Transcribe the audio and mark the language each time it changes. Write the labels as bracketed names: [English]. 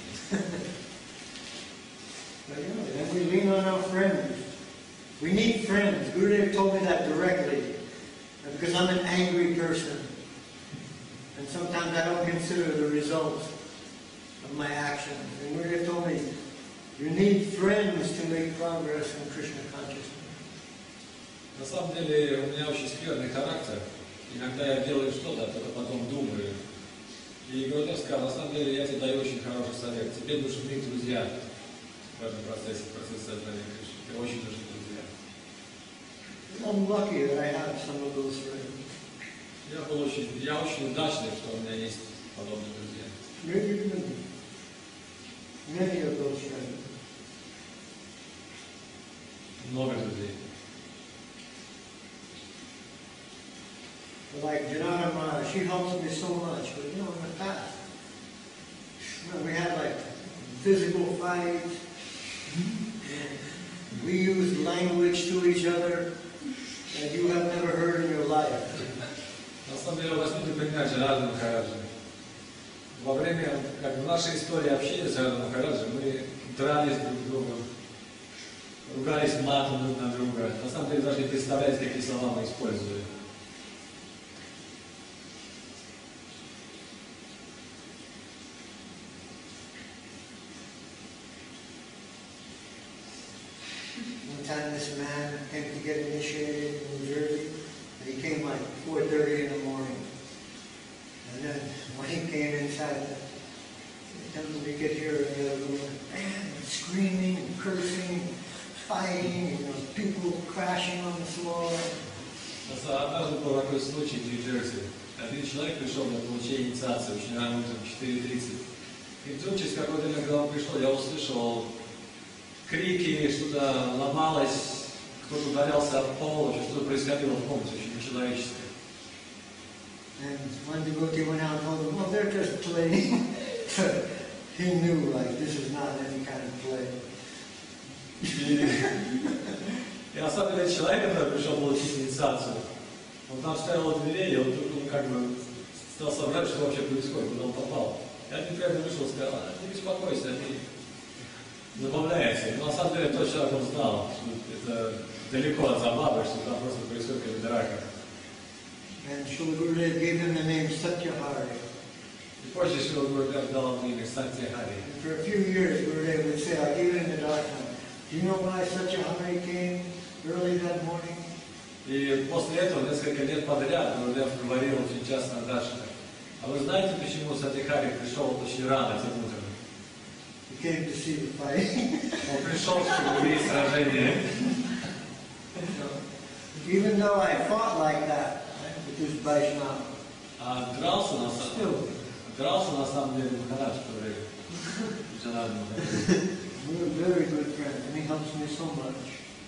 [English] But you know, then we lean on our friends. We need friends. Gurudev told me that directly. Because I'm an angry person. And sometimes I don't consider the results of my actions. And Gurudev told me, you need friends to make progress in Krishna consciousness. [Russian] На самом деле, у меня очень скверный характер. Иногда я делаю что-то, а только потом думаю. И Гурудев сказал, на самом деле я тебе даю очень хороший совет. Тебе нужны друзья в этом процессе, в процессе сознания Кришны. Тебе очень нужны друзья. [English] I'm lucky that I have some of those friends. [Russian] Я очень удачный, что у меня есть подобные друзья. [English] Maybe many of those friends. [Russian] Много друзей. [English] Like Janata Maharaj, she helps me so much, but you know, in the past, when we had like physical fights, we used language to each other that you have never heard in your life. [Russian] На самом деле, возьмите пример Джанарда Махараджи. Во время, как в нашей истории общения с Джанарда Махараджи, мы дрались друг с другом, ругались матом друг на друга. На самом деле, даже не представляете, какие слова мы использовали. [English] Time this man came to get initiated in New Jersey, and he came like 4:30 in the morning. And then when he came inside the temple, we could hear the other room, man, screaming and cursing, fighting, you know, people crashing on the floor. So I was in a case in New Jersey. A man came to get initiated very early, at 4:30. And then, just after some time, when he came, I heard him. [Russian] Крики, что-то ломалось, кто-то ударялся от пола, что-то происходило в комнате, очень нечеловеческое. [English] And one devotee went out and told him, well, they're just playing. He knew, like, this is not any kind of play. [Russian] И на самом деле человек, который пришел получить инициацию, он там ставил удивление, он вдруг как бы стал соображать, что вообще происходит, куда он попал. И один прямо вышел и сказал, не беспокойся, они забавляются. Но на самом деле тот человек, он знал, что это далеко от забавы, что там просто происходит какая-то драка. [English] And Srila Gurudev gave him the name Satyahari. [Russian] И позже Srila Gurudev дал ему имя Satyahari. [English] And for a few years Gurudev would say, I gave him the doctrine. Do you know why Satyahari came early that morning? [Russian] И после этого несколько лет подряд Гурудев говорил очень часто Дашина. А вы знаете, почему Сатихари пришел очень рано этим утром? [English] He came to see the fight. [Russian] Он пришел, чтобы увидеть сражение. [English] Even though I fought like that, with this Vaishnava. [Russian] А дрался на самом деле. Дрался на самом деле Махарадж в то время. [English] We're very good friends, and he helps me so much.